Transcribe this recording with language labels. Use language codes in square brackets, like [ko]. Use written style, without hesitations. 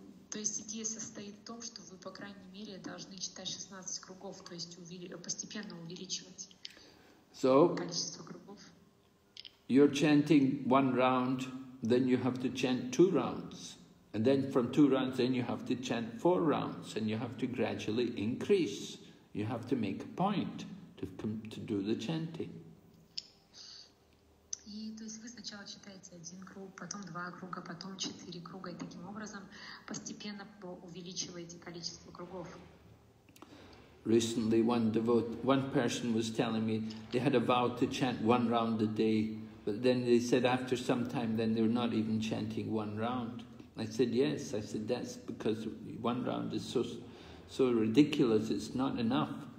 [ru] То есть идея состоит в том, что вы по крайней мере должны читать 16 кругов, то есть постепенно увеличивать количество кругов. [en] You're chanting one round, then you have to chant two rounds, and then from two rounds, then you have to chant four rounds, and you have to gradually increase. You have to make a point to do the chanting. [ru] И то есть вы сначала читаете один круг, потом два круга, потом четыре круга, и таким образом постепенно увеличиваете количество кругов. [en] Recently one person was telling me they had a vow to chant one round a day, but then they said after some time then they were not even chanting one round. I said yes, I said that's because one round is so ridiculous, it's not enough.